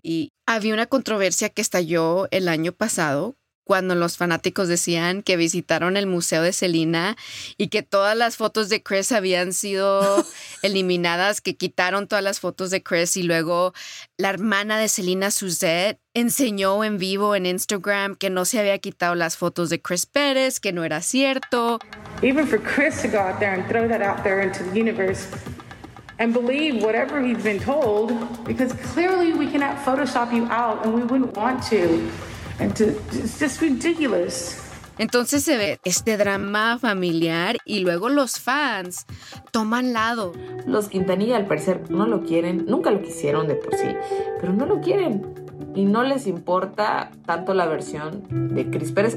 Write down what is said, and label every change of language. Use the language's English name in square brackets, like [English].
[Spanish] Y había una controversia que estalló el año pasado cuando los fanáticos decían que visitaron el museo de Selena y que todas las fotos de Chris habían sido eliminadas, que quitaron todas las fotos de Chris, y luego la hermana de Selena, Suzette, enseñó en vivo en Instagram que no se había quitado las fotos de Chris Pérez, que no era cierto. [English] Even for Chris to go out there and throw that out there into the universe and believe whatever he's been told, because clearly we cannot Photoshop you out and we wouldn't want to. It's just ridiculous. [Spanish] Entonces se ve este drama familiar y luego los fans toman lado. Los Quintanilla, al parecer, no lo quieren. Nunca lo quisieron de por sí, pero no lo quieren. Y no les importa tanto la versión de Chris Pérez.